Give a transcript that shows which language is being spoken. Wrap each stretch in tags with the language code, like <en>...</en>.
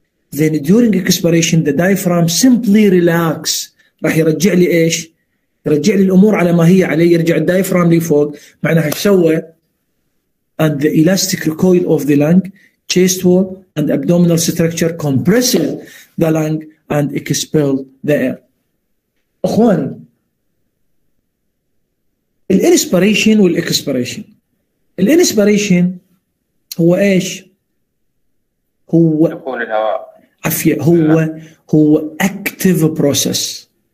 <en>Then during expiration, the diaphragm simply relax.</en> <ar>راح يرجع لي إيش؟ يرجع لي الأمور على ما هي عليه. يرجع الدايفرام لفوق. معناها يسوى</ar> <en>and the elastic recoil of the lung, chest wall and abdominal structure compresses the lung and expel the air.</en> <ar>أخواني الانسبيريشن والاكسبيريشن، الانسبيريشن هو ايش؟ هو دخول الهواء. عفية. هو اكتيف بروسس.</ar>